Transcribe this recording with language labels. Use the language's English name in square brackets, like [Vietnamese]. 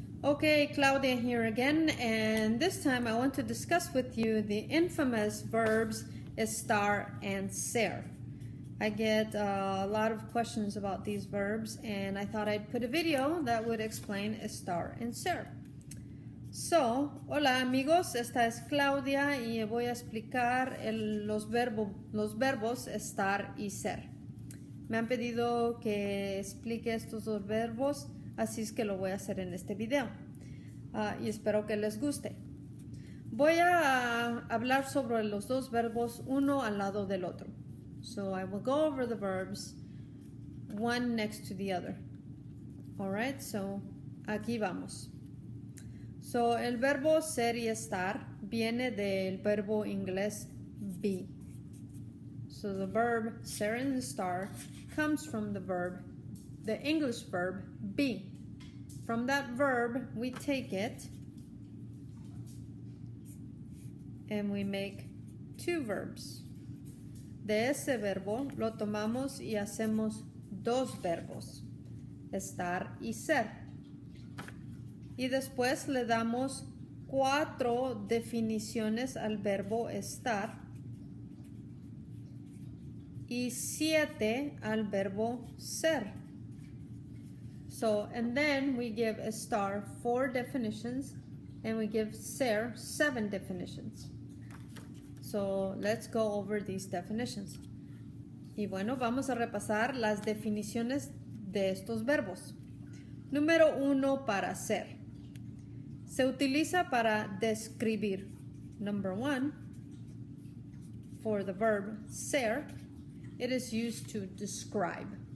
[English] Okay, Claudia here again, and this time I want to discuss with you the infamous verbs estar and ser. I get a lot of questions about these verbs, and I thought I'd put a video that would explain estar and ser. [Spanish] So, hola amigos, esta es Claudia y voy a explicar los verbos estar y ser. Me han pedido que explique estos dos verbos. Así es que lo voy a hacer en este video y espero que les guste. Voy a hablar sobre los dos verbos uno al lado del otro. [English] So I will go over the verbs one next to the other. All right, so [Spanish] aquí vamos. So el verbo ser y estar viene del verbo inglés be. [English] So the verb ser and estar comes from the English verb be. From that verb, we take it and we make two verbs. [Spanish] De ese verbo lo tomamos y hacemos dos verbos, estar y ser. Y después le damos cuatro definiciones al verbo estar y siete al verbo ser. [English] So, and then we give estar four definitions and we give ser seven definitions. So, let's go over these definitions. [Spanish] Y bueno, vamos a repasar las definiciones de estos verbos. Número uno para ser. Se utiliza para describir. [English] Number one, for the verb ser, it is used to describe.